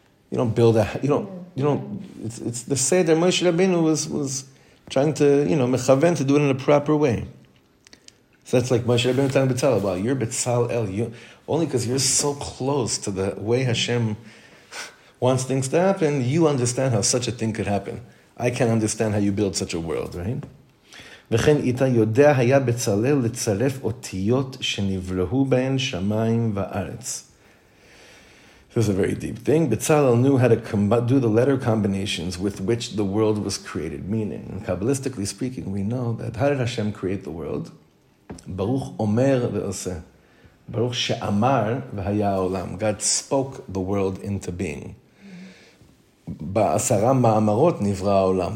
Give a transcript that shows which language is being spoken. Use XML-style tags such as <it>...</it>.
<en>You don't build a, it's the Seder Moshe Rabbeinu was trying to, mechaven to do it in a proper way. So that's like Moshe Rabbeinu telling Betzel, wow, you're Betzel El, only because you're so close to the way Hashem wants things to happen, you understand how such a thing could happen. I can't understand how you build such a world, right?</en> <he>וכן איתה יודע היה בצלל לצרף אותיות שנברהו בהן שמיים וארץ.</he> <en>This is a very deep thing. Betzalel knew how to do the letter combinations with which the world was created. Meaning, Kabbalistically speaking, we know that how did Hashem create the world?</en> <he>Baruch Omer Ve'Oseh. Baruch She'amar V'Haya Olam.</he> <en>God spoke the world into being.</en> <he>Ba'asara Ma'amarot Nivra Olam.</he>